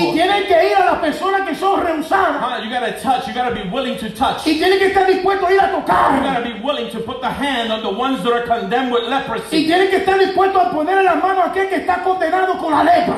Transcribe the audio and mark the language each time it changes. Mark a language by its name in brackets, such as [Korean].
[Spanish] Y tiene que ir a las personas que son rehusadas. [English] You gotta touch. You gotta be willing to touch. [Spanish] Y tiene que estar dispuesto a ir a tocar. [English] You gotta be willing to put the hand on the ones that are condemned with leprosy. [Spanish] Y tiene que estar dispuesto a poner las manos a aquel que está condenado con la lepra.